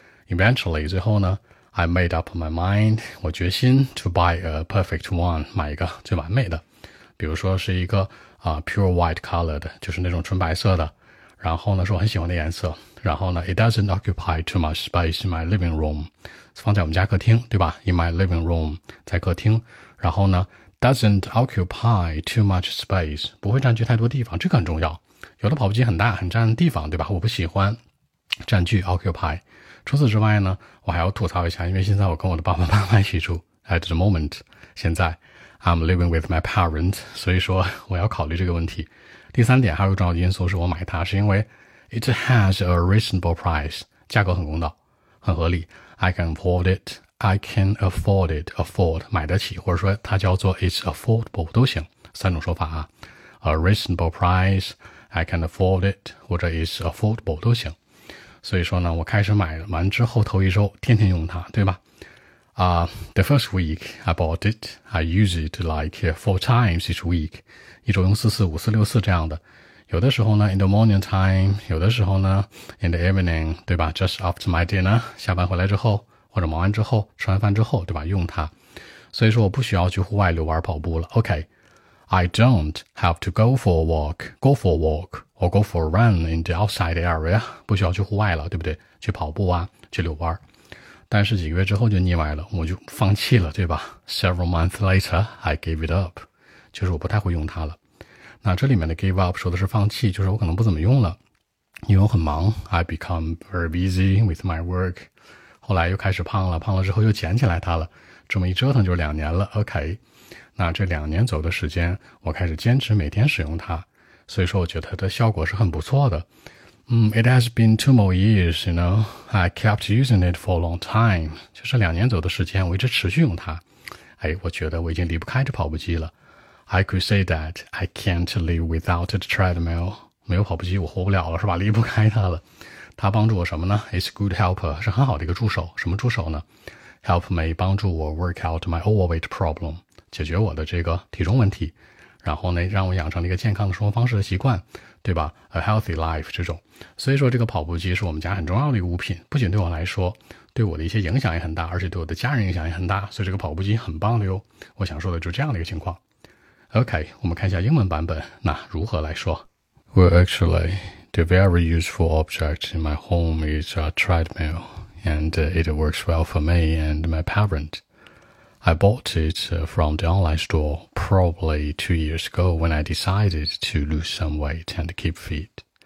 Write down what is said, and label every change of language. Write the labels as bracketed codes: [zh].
[en] Eventually [zh] 最后呢， [en] I made up my mind， [zh] 我决心 [en] to buy a perfect one， [zh] 买一个最完美的，比如说是一个 [en] pure white colored， [zh] 就是那种纯白色的，然后呢是我很喜欢的颜色，然后呢 [en] it doesn't occupy too much space in my living room， [zh] 放在我们家客厅，对吧， [en] in my living room， [zh] 在客厅，然后呢 [en] doesn't occupy too much space， [zh] 不会占据太多地方，这个很重要，有的跑步机很大很占地方，对吧，我不喜欢占据 occupy。除此之外呢，我还要吐槽一下，因为现在我跟我的爸爸妈妈一起住， [en] at the moment， [zh] 现在 [en] I'm living with my parents， [zh] 所以说我要考虑这个问题。第三点还有一个重要的因素是我买它是因为 [en] It has a reasonable price， [zh] 价格很公道很合理， [en] I can afford it， [zh] I can afford it， afford 买得起，或者说它叫做 [en] It's affordable [zh] 都行，三种说法啊， [en] A reasonable price， [zh] I can afford it， 或者 It's affordable 都行。所以说呢我开始买完之后头一周天天用它，对吧。 [en] The first week I bought it, I use it like 4 times each week， [zh] 一周用4次、5次、6次这样的，有的时候呢 [en] in the morning time， [zh] 有的时候呢 [en] in the evening， [zh] 对吧， [en] just after my dinner， [zh] 下班回来之后或者忙完之后吃完饭之后，对吧，用它。所以说我不需要去户外遛弯跑步了， [en] OK， I don't have to go for a walk or go for a run in the outside area， [zh] 不需要去户外了，对不对，去跑步啊，去遛弯。但是几个月之后就腻歪了，我就放弃了，对吧。 [en] Several months later I gave it up， [zh] 就是我不太会用它了。那这里面的 give up 说的是放弃，就是我可能不怎么用了，因为我很忙， [en] I become very busy with my work， [zh] 后来又开始胖了，胖了之后又捡起来它了，这么一折腾就2年了， OK。那这两年走的时间我开始坚持每天使用它，所以说我觉得它的效果是很不错的。 [en] It has been 2 more years, you know, I kept using it for a long time， [zh] 就是两年左右的时间我一直持续用它，哎，我觉得我已经离不开这跑步机了。 [en] I could say that I can't live without the treadmill， [zh] 没有跑步机我活不了了，是吧，离不开它了。它帮助我什么呢？ [en] It's good helper， 是很好的一个助手。 [zh] 什么助手呢？ [en] Help me， [zh] 帮助我 [en] work out my overweight problem， [zh] 解决我的这个体重问题，然后呢让我养成了一个健康的生活方式的习惯，对吧， [en] a healthy life [zh] 这种。所以说这个跑步机是我们家很重要的一个物品，不仅对我来说对我的一些影响也很大，而且对我的家人影响也很大，所以这个跑步机很棒的哟。我想说的就是这样的一个情况。OK， 我们看一下英文版本，那如何来说。 [en] Well actually the very useful object in my home is a treadmill and it works well for me and my parent. I bought it from the online store probably 2 years ago when I decided to lose some weight and keep fit.